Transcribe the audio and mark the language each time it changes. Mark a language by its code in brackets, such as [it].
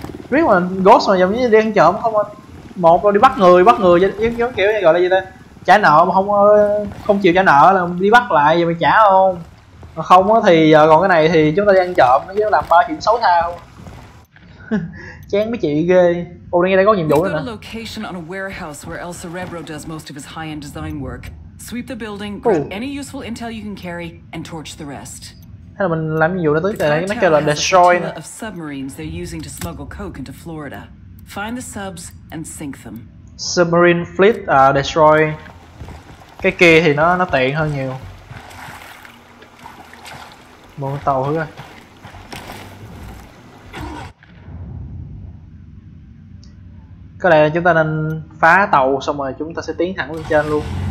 [vi] Biết mà ghost mà giống như đi ăn trộm không anh. Một rồi đi bắt người giống kiểu gọi là gì ta. Trả nợ mà không chịu trả nợ là đi bắt lại rồi mày trả không. Mà không á thì giờ còn cái này thì chúng ta đi ăn trộm nó làm ba chuyện xấu xa không. Chán mấy chị ghê. Ồ đây có nhiệm vụ nữa nè. [en] Got a location on a warehouse where El Cerebro does most of his high-end design work. Sweep the building, grab any useful intel you can carry and torch the rest. [vi] Hay là mình làm nhiệm vụ đó tới kìa, nó kêu là destroy nè. [en] Of submarines they're using to smuggle coke into Florida. Find the subs and sink them. Submarine fleet destroy. [vi] Cái kia thì nó tiện hơn nhiều. Mượn tàu thử coi. Có lẽ là chúng ta nên phá tàu xong rồi chúng ta sẽ tiến thẳng lên trên luôn.